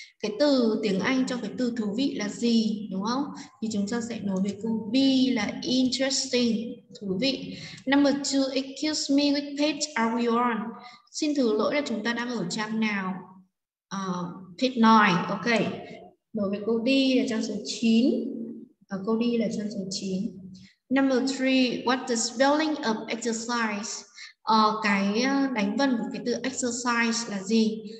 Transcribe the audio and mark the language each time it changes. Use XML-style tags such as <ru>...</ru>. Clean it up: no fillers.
<vi>Cái từ tiếng Anh cho cái từ thú vị là gì, đúng không? Thì chúng ta sẽ nối với câu B là interesting, thú vị.</vi> <en>Number 2, excuse me, which page are we on?</en> <vi>Xin thứ lỗi là chúng ta đang ở trang nào?</vi> <en>Page 9, ok.</en> <vi>Nối với câu D là trang số 9. Câu D là trang số 9.</vi> <en>Number 3, what's the spelling of exercise?</en> <vi>Cái đánh vần của cái từ exercise là gì?</vi>